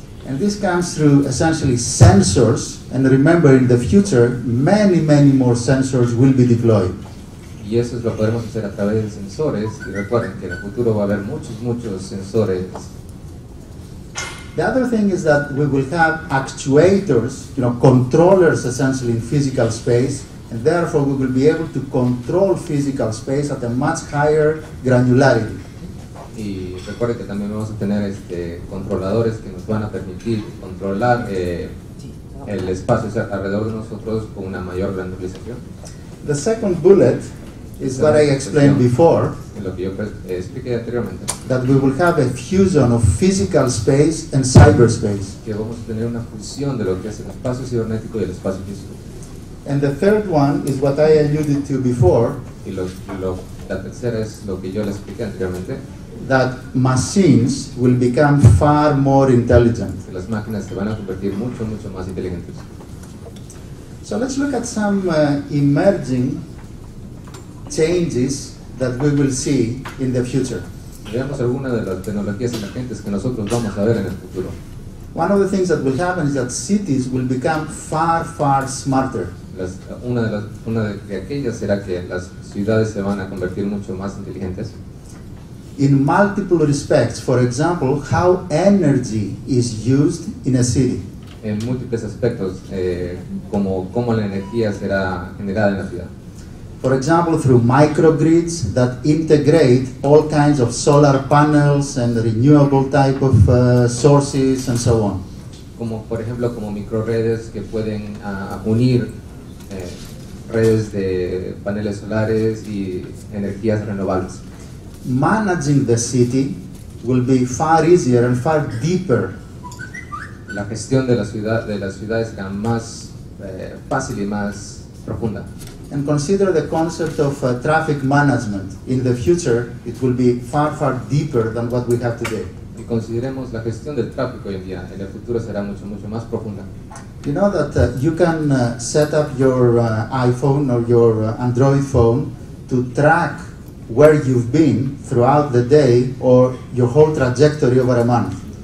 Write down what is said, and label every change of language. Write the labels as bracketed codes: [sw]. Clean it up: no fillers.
[en] And this comes through essentially sensors, and remember, in the future, many, many more sensors will be deployed. [es] Y eso es lo podemos hacer a través de sensores, y recuerden que en el futuro va a haber muchos, muchos sensores. [en] The other thing is that we will have actuators, you know, controllers essentially in physical space, and therefore we will be able to control physical space at a much higher granularity. [es] Y recuerde que también vamos a tener controladores que nos van a permitir controlar el espacio alrededor de nosotros con una mayor granularización. [en] The second bullet is what I explained before. [es] Lo que yo expliqué anteriormente. [en] That we will have a fusion of physical space and cyberspace. [es] Que vamos a tener una fusión de lo que es el espacio cibernético y el espacio físico. [en] And the third one is what I alluded to before. [es] Y la tercera es lo que yo le expliqué anteriormente. [en] That machines will become far more intelligent. [es] Las máquinas se van a convertir mucho, mucho más inteligentes. [en] So let's look at some emerging changes that we will see in the future. [es] Veamos algunas de las tecnologías emergentes que nosotros vamos a ver en el futuro. [en] One of the things that will happen is that cities will become far, far smarter. [es] Una de aquellas será que las ciudades se van a convertir mucho más inteligentes. [en] In multiple respects, for example, how energy is used in a city. [es] En múltiples aspectos, como la energía será generada en la ciudad. [en] For example, through microgrids that integrate all kinds of solar panels and renewable type of sources and so on. [es] Como por ejemplo, como microredes que pueden unir redes de paneles solares y energías renovables. [en] Managing the city will be far easier and far deeper. [es] La gestión de la ciudad será más fácil y más profunda. [en] And consider the concept of traffic management. In the future, it will be far, far deeper than what we have today. [es] Y consideremos la gestión del tráfico hoy en día. En el futuro será mucho, mucho más profunda. [en] You know that you can set up your iPhone or your Android phone to track where you've been throughout the day or your whole trajectory over a month.